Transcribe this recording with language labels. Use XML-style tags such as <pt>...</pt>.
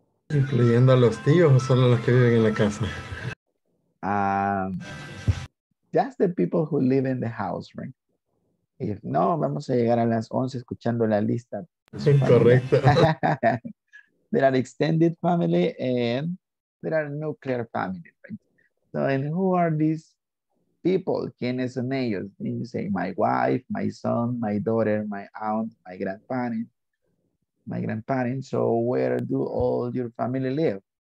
<es>¿Incluyendo a los tíos o solo los que viven en la casa?</es> <en>Just the people who live in the house, right? If no,</en> <es>vamos a llegar a las 11 escuchando la lista. Correcto.</es> <en>There are extended family and there are nuclear family, right? So, and who are these people?</en> <es>¿Quiénes son ellos?</es> <en>And you say, my wife, my son, my daughter, my aunt, my grandparents. My grandparents, so where do all your family live?</en>